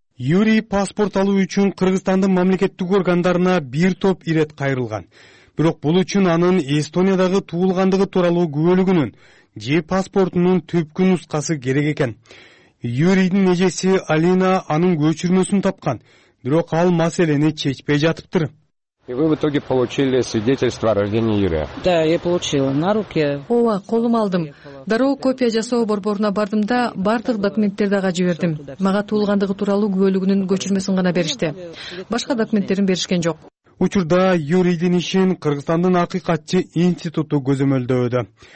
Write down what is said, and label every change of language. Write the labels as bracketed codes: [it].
[ky] Юрий паспорт алуу үчүн Кыргызстандын мамлекеттик органдарына бир топ ирет кайрылган. Бирок бул үчүн анын Эстониядагы туулгандыгы тууралуу күбөлүгүнүн же паспортунун түпкү нускасы керек экен. Юрийдин эжеси Алина анын көчүрмөсүн тапкан, бирок ал маселени чечпей жатыптыр. [ru] И вы в итоге получили свидетельство о рождении Юрия? Да, я получила на руке. [ky] Ооба, колум алдым. Дароо копия жасоо борборуна бардым да бардык документтерди ага жибердим. Мага туулгандыгы тууралуу күбөлүгүнүн көчүрмөсүн гана беришти. Башка документтерин беришкен жок. Учурда Юрийдин ишин Кыргызстандын акыйкатчы институту көзөмөлдөөдө.